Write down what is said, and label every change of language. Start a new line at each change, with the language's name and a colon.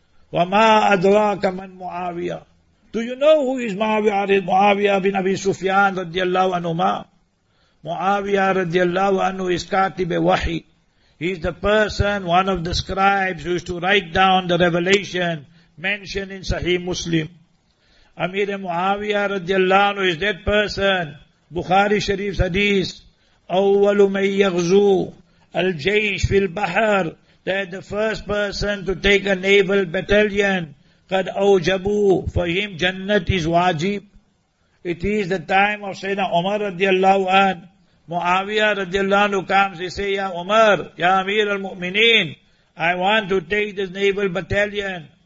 Arabic: Wa ma adraka man Muawiyah.
English: Do you know who is Muawiyah bin Abi Sufyan radiallahu anhu ma? Muawiyah radiallahu anhu is Katib-e-Wahi. He is the person, one of the scribes who used to write down the revelation mentioned in Sahih Muslim. Amir Muawiyah radiallahu anhu is that person. Bukhari Sharif's hadith,
Arabic: أَوَّلُ مَنْ يَغْزُو الْجَيْشْ فِي الْبَحَرِ.
English: That the first person to take a naval battalion,
Arabic: قَدْ أَوْجَبُ.
English: For him, Jannat is wajib. It is the time of Sayyidina Umar radiallahu an. Muawiyah radiallahu anhu comes, he says, Ya Umar, Ya Amir al-Mu'mineen, I want to take this naval battalion.